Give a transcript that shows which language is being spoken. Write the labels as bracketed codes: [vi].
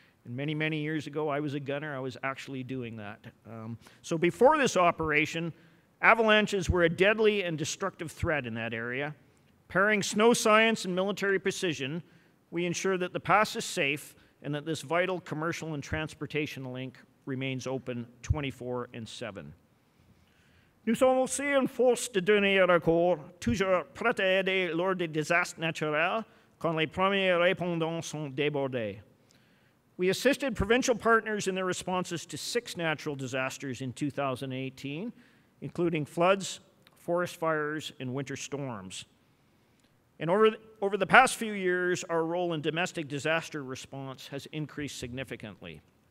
[en] And many, many years ago, I was a gunner. I was actually doing that. So before this operation, avalanches were a deadly and destructive threat in that area. Pairing snow science and military precision, we ensure that the pass is safe and that this vital commercial and transportation link remains open 24/7. [fr] Nous sommes aussi une force de dernier recours, toujours prête à aider lors des désastres naturels quand les premiers répondants sont débordés. [en] We assisted provincial partners in their responses to six natural disasters in 2018, including floods, forest fires, and winter storms. And over the past few years, our role in domestic disaster response has increased significantly.